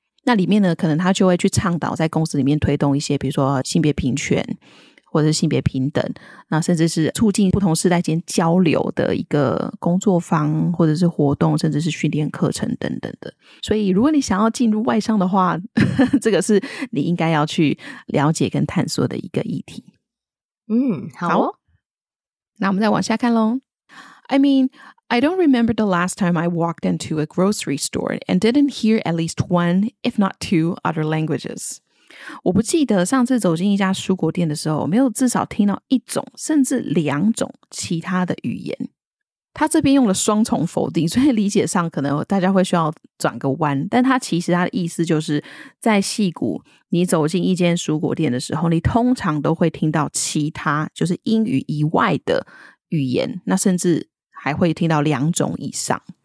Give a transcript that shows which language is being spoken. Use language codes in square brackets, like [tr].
[zh] 那里面呢，可能他就会去倡导在公司里面推动一些比如说性别平权或者是性别平等，那甚至是促进不同世代间交流的一个工作坊或者是活动，甚至是训练课程等等的。所以如果你想要进入外商的话，这个是你应该要去了解跟探索的一个议题。好哦，那我们再往下看咯。 [en] I mean, I don't remember the last time I walked into a grocery store and didn't hear at least one, if not two, other languages. [zh] 我不记得上次走进一家蔬果店的时候，没有至少听到一种甚至两种其他的语言。他这边用了双重否定，所以理解上可能大家会需要转个弯，但他其实他的意思就是在矽谷你走进一间蔬果店的时候，你通常都会听到其他就是英语以外的语言，那甚至还会听到两种以上。